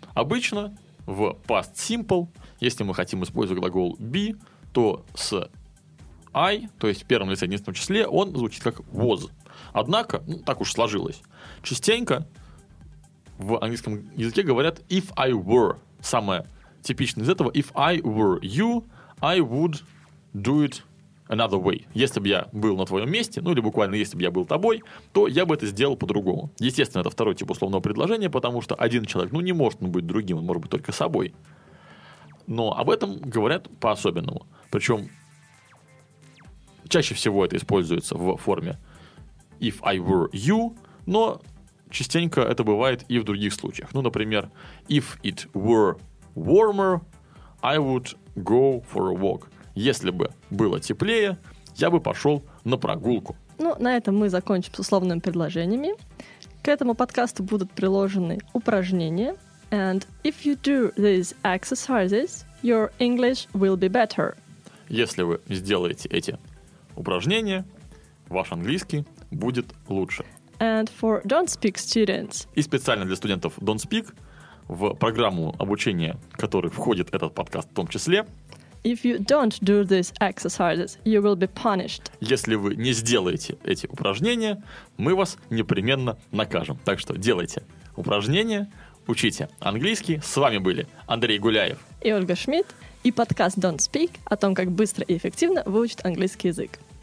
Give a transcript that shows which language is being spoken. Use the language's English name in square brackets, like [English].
[Russian] Обычно в past simple, если мы хотим использовать глагол be, то с I, то есть в первом лице единственном числе, он звучит как was. Однако, ну, так уж сложилось, частенько в английском языке говорят [English] if I were. [Russian] Самое типичное из этого. [English] If I were you, I would do it another way. [Russian] Если бы я был на твоем месте, ну или буквально если бы я был тобой, то я бы это сделал по-другому. Естественно, это второй тип условного предложения, потому что один человек, ну не может он быть другим, он может быть только собой. Но об этом говорят по-особенному. Причем чаще всего это используется в форме [English] if I were you, [Russian] но частенько это бывает и в других случаях. Ну, например, [English] if it were warmer, I would go for a walk. [Russian] Если бы было теплее, я бы пошел на прогулку. Ну, на этом мы закончим с условными предложениями. К этому подкасту будут приложены упражнения. [English] And if you do these exercises, your English will be better. [Russian] Если вы сделаете эти упражнения, ваш английский будет лучше. [English] And for Don't Speak students. [Russian] И специально для студентов Don't Speak в программу обучения, в которой входит этот подкаст в том числе. [English] If you don't do these exercises, you will be punished. [Russian] Если вы не сделаете эти упражнения, мы вас непременно накажем. Так что делайте упражнения, учите английский. С вами были Андрей Гуляев и Ольга Шмидт и подкаст Don't Speak о том, как быстро и эффективно выучить английский язык.